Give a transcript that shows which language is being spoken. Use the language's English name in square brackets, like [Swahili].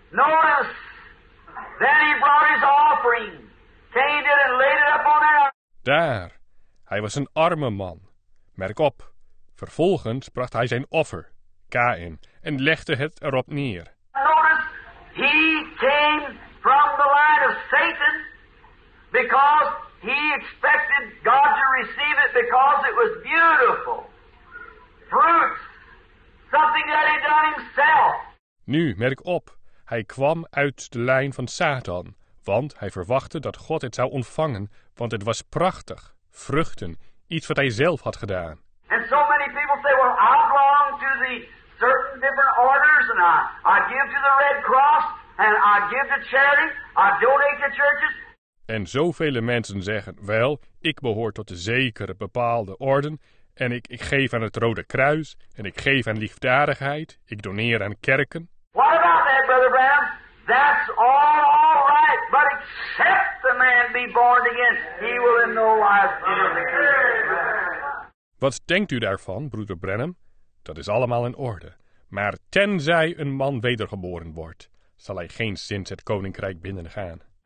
[English] Notice, then he brought his offering. Cain did and laid it up on the altar. [Dutch] Daar, hij was een arme man. Merk op, vervolgens bracht hij zijn offer, Cain, en legde het erop neer. [English] He came from the line of Satan because he expected God to receive it because it was beautiful. Fruits. Something that he done himself. [Dutch] Nu, merk op, hij kwam uit de lijn van Satan, want hij verwachtte dat God het zou ontvangen, want het was prachtig. Vruchten. Iets wat hij zelf had gedaan. [English] And so many people say, well, I belong to the certain different orders and I give to the Red Cross. And I give to charity, I donate to churches. [Dutch] En zoveel mensen zeggen, wel, ik behoor tot de zekere bepaalde orden, en ik geef aan het Rode Kruis, en ik geef aan liefdadigheid, ik doneer aan kerken. [English] What about that, Brother Branham? That's all right, but except the man be born again, he will in no wise enter the kingdom. [Dutch] Wat denkt u daarvan, Broeder Branham? Dat is allemaal in orde. Maar tenzij een man wedergeboren wordt, zal hij geen zin het koninkrijk binnen gaan.